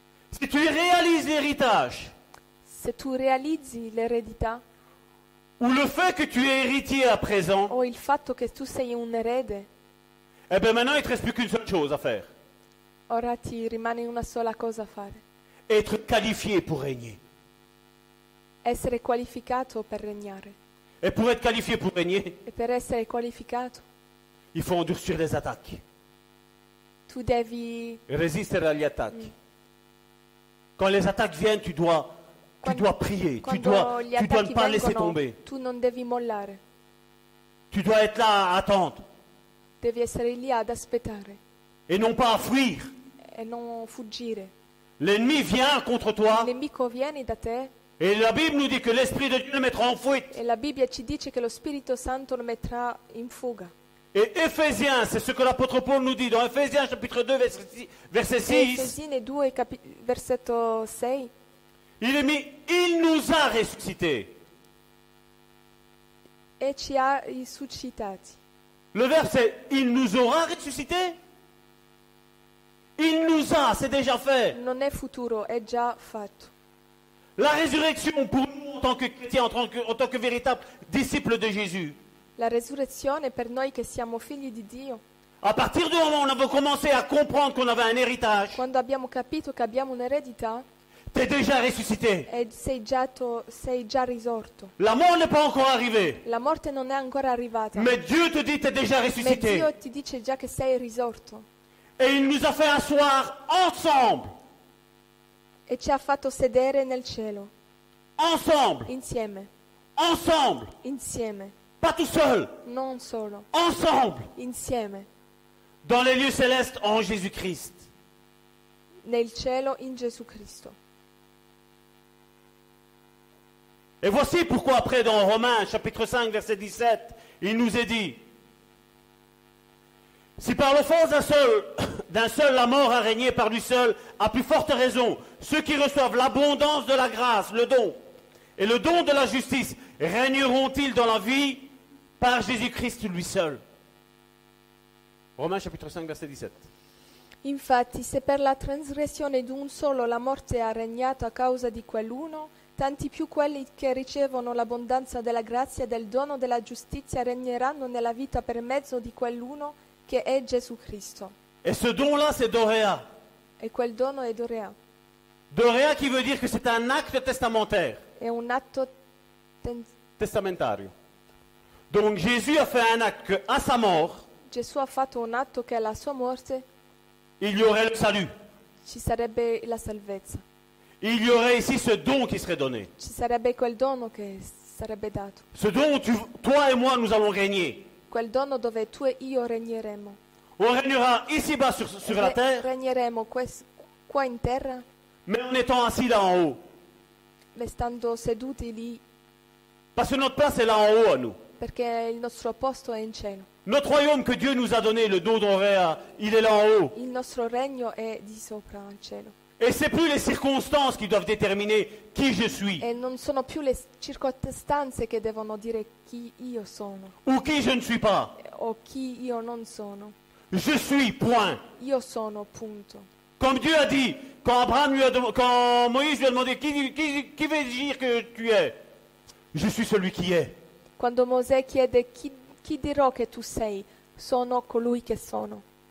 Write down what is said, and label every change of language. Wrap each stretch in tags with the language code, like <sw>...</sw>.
<fr>Si tu réalises l'héritage.</fr> <it>Se tu realizzi l'eredità.</it> <fr>Ou le fait que tu es héritier à présent.</fr> <it>O il fatto che tu sei un erede.</it> <fr>Eh bien maintenant il te reste plus qu'une seule chose à faire.</fr> <it>Ora ti rimane una sola cosa a fare.</it> <fr>Être qualifié pour régner.</fr> <it>Essere qualificato per regnare.</it> <fr>Et pour être qualifié pour régner.</fr> <it>E per essere qualificato.</it> <fr>Il faut endurcir les attaques.</fr> <it>Tu devi.</it> <fr>Résister</fr> <it>agli attacchi.</it> <fr>Quand les attaques viennent, tu dois. Tu dois prier, tu dois ne pas laisser tomber.</fr> <it>Tu non devi mollare.</it> <fr>Tu dois être là à attendre.</fr> <it>Devi essere lì ad aspettare.</it> <fr>Et non pas à fuir.</fr> <it>E non fuggire.</it> <fr>L'ennemi vient contre toi.</fr> <it>Il nemico viene da te.</it> <fr>Et la Bible nous dit que l'Esprit de Dieu le mettra en fuite.</fr> <it>E la Bibbia ci dice che lo Spirito Santo lo metterà in fuga.</it> <fr>Et Éphésiens, c'est ce que l'apôtre Paul nous dit dans Éphésiens chapitre 2 verset 6.</fr> <it>Éphésiens 2 versetto 6.</it> <fr>Il est mis, il nous a ressuscités.</fr> <it>Et ci ha risuscitati.</it> <fr>Le verbe c'est, il nous aura ressuscités. Il nous a, c'est déjà fait.</fr> <it>Non è futuro, è già fatto.</it> <fr>La résurrection pour nous en tant que chrétiens, en tant que véritables disciples de Jésus.</fr> <it>La résurrection est pour nous qui sommes fils de Dieu.</it> <fr>À partir du moment où on a commencé à comprendre qu'on avait un héritage.</fr> <it>Quando abbiamo capito che abbiamo un'eredità.</it> <fr>T'es déjà ressuscité.</fr> <it>E sei già risorto.</it> <fr>La mort n'est pas encore arrivée.</fr> <it>La morte non è ancora arrivata.</it> <fr>Mais Dieu te dit t'es déjà ressuscité.</fr> <it>Ma Dio ti dice già che sei risorto.</it> <fr>Et il nous a fait asseoir ensemble.</fr> <it>E ci ha fatto sedere nel cielo.</it> <fr>Ensemble.</fr> <it>Insieme.</it> <fr>Ensemble.</fr> <it>Insieme.</it> <fr>Pas tout seul.</fr> <it>Non solo.</it> <fr>Ensemble.</fr> <it>Insieme.</it> <fr>Dans les lieux célestes en Jésus-Christ.</fr> <it>Nel cielo in Gesù Cristo.</it> <fr>Et voici pourquoi après dans Romains chapitre 5 verset 17, il nous est dit: si par l'offense d'un seul la mort a régné par lui seul, à plus forte raison, ceux qui reçoivent l'abondance de la grâce, le don et le don de la justice régneront-ils dans la vie par Jésus-Christ lui seul. Romains chapitre 5 verset 17.</fr> <it>Infatti, se per la transgressione d'un solo la morte ha regnato a causa di quell'uno, tanti più quelli che ricevono l'abbondanza della grazia e del dono della giustizia regneranno nella vita per mezzo di quell'uno che è Gesù Cristo.</it> <fr>E ce don là, c'est Dorea.</fr> <it>E quel dono è Dorea.</it> <fr>Dorea qui veut dire que c'est un acte testamentaire.</fr> <it>È un atto testamentario.</it> <fr>Donc Jésus a fait un acte à sa mort.</fr> <it>Gesù ha fatto un atto che alla sua morte.</it> <fr>Il y aurait le salut.</fr> <it>Ci sarebbe la salvezza.</it> <fr>Il y aurait ici ce don qui serait donné.</fr> <it>Ci sarebbe quel dono che sarebbe dato.</it> <fr>Ce don où toi et moi nous allons régner.</fr> <it>Quel dono dove tu e io regneremo.</it> <fr>On régnera ici-bas sur la terre.</fr> <it>Regneremo qua in terra.</it> <fr>Mais en étant assis là en haut.</fr> <it>Ma stando seduti lì.</it> <fr>Parce que notre place est là en haut à nous.</fr> <it>Perché il nostro posto è in cielo.</it> <fr>Notre royaume que Dieu nous a donné, le don d'Orea, il est là en haut.</fr> <it>Il nostro regno è di sopra al cielo.</it> <fr>Et c'est plus les circonstances qui doivent déterminer qui je suis.</fr> <it>E non sono più le circostanze che devono dire chi io sono.</it> <fr>Ou qui je ne suis pas.</fr> <it>O chi io non sono.</it> <fr>Je suis, point.</fr> <it>Io sono, punto.</it> <fr>Comme Dieu a dit, quand Moïse lui a demandé qui veut dire que tu es. Je suis celui qui est.</fr> <it>Quando Mosè chiede chi dirò che tu sei, sono colui che sono.</it>